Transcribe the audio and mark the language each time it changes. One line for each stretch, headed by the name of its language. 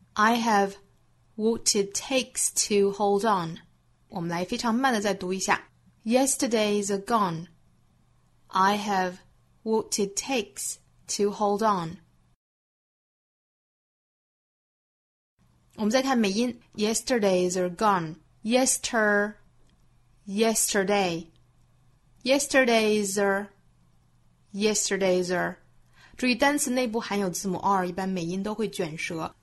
English: I have what it takes to hold on.
Chinese: 我们来非常慢的再读一下。
English: Yesterday's are gone. I have what it takes to hold on.
Chinese: 我们再看美音
English: Yesterdays are gone. Yester Yesterday Yesterdays are
Chinese: Yesterdays are， 注意单词内部含有字母 R， 一般美音都会卷舌。